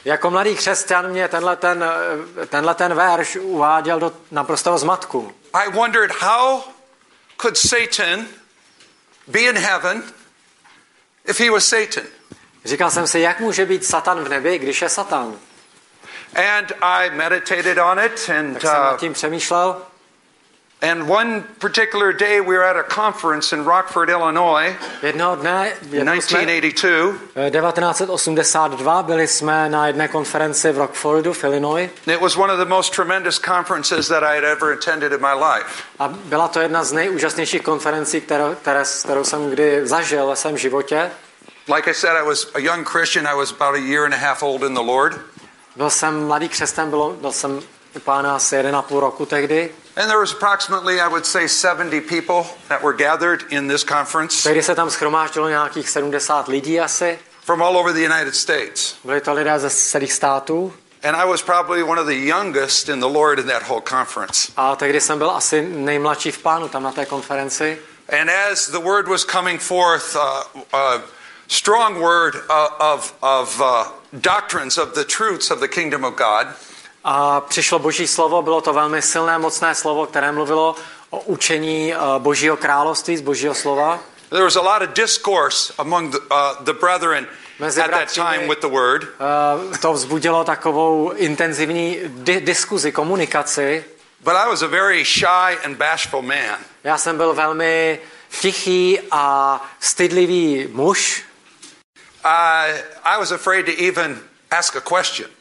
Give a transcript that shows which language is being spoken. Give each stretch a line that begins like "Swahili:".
Czech: Jako mladý křesťan mě tenhle ten verš uváděl do naprostého zmatku.
English: I wondered how could Satan be in heaven if he was Satan.
Czech: Říkal jsem si, jak může být Satan v nebi, když je Satan.
English: And I meditated on it and
Czech: tak jsem nad tím přemýšlel.
English: And one particular day we were at a conference in Rockford, Illinois.
Czech: Jednoho dne, 1982 byli jsme na jedné konferenci v Rockfordu, v Illinois.
English: It was one of the most tremendous conferences that I had ever attended in my life.
Czech: A byla to jedna z nejúžasnějších konferencí, kterou jsem kdy zažil ve svém životě.
English: Like I said, I was a young Christian, I was about a year and a half old in the Lord.
Czech: Byl jsem mladý křesťan, byl jsem u Pána asi 1,5 roku tehdy.
English: And there was approximately, I would say, 70 people that were gathered in this conference.
Czech: Tehdy se tam shromáždilo nějakých 70 lidí asi.
English: From all over the United States.
Czech: Byli to lidé ze celých států.
English: And I was probably one of the youngest in the Lord in that whole conference.
Czech: A tehdy jsem byl asi nejmladší v Pánu tam na té konferenci.
English: And as the word was coming forth, strong word of doctrines of the truths of the kingdom of God.
Czech: A přišlo Boží slovo, bylo to velmi silné, mocné slovo, které mluvilo o učení Božího království, z Božího slova.
English: There was a lot of discourse among the brethren at that time with the word.
Czech: To vzbudilo takovou intenzivní diskuzi, komunikaci.
English: But I was a very shy and bashful man.
Czech: Já jsem byl velmi tichý a stydlivý muž.
English: I was afraid to even ask a question.